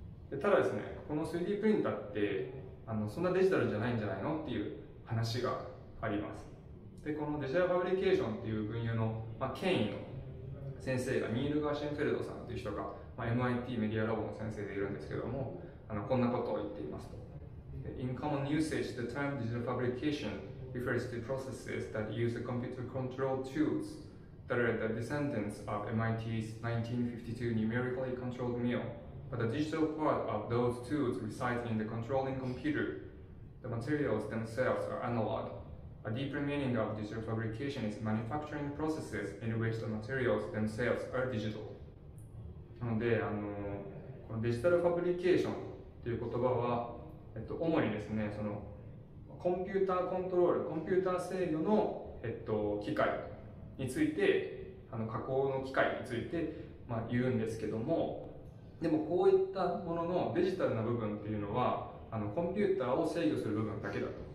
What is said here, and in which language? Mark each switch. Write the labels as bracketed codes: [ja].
[ja] でただですね、この 3D プリンターってそんなデジタルじゃないんじゃないのっていう話があります。でこのデジタルファブリケーションっていう分野の、権威の先生がニール・ガーシェンフェルドさんっていう人が、MIT メディアラボの先生でいるんですけども、こんなことを言っていますと。 [en] In common usage, the term digital fabrication refers to processes that use computer control tools that are the descendants of MIT's 1952 numerically controlled mill. But the digital part of those tools resides in the controlling computer. The materials themselves are analog. A deeper meaning of digital fabrication is manufacturing processes in which the materials themselves are digital. [ja] なので、このデジタルファブリケーションという言葉は、主にですね、そのコンピューターコントロール、コンピューター制御の、機械について、加工の機械について、言うんですけども、でもこういったもののデジタルな部分というのは、コンピューターを制御する部分だけだと。